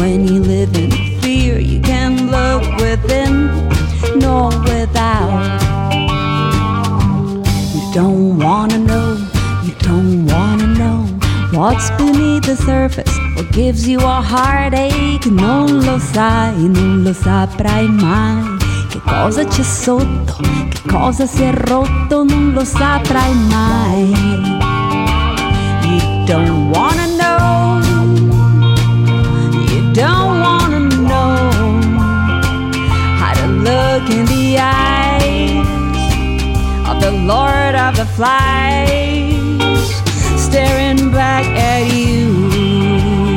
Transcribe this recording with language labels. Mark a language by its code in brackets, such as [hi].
[en] When you live in fear, you can look within, nor without. You don't wanna know, you don't wanna know what's beneath the surface, what gives you a heartache. [it] Non lo sai, non lo saprai mai. Che cosa c'è sotto, che cosa si è rotto, non lo saprai mai. [en] You don't wanna know, you don't wanna know how to look in the eyes of the Lord of the Flies, staring back at you.